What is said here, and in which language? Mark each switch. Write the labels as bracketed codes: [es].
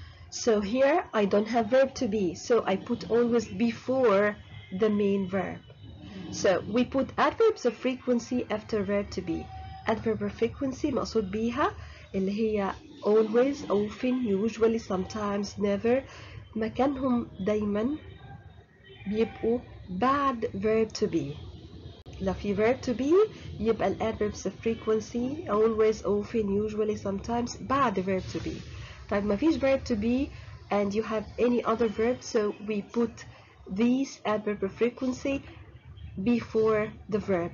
[en] So here, I don't have verb to be, so I put always before the main verb. So we put adverbs of frequency after verb to be. Adverb of frequency, [ar] مقصود بيها, اللي هي [en] always, often, usually, sometimes, never. [ar] مكانهم دايما بيبقوا بعد verb to be. لو في verb to be يبقى adverbs of frequency [en] always, often, usually, sometimes [ar] بعد verb to be. طيب ما فيش [en] verb to be and you have any other verb, so we put these adverbs of frequency before the verb.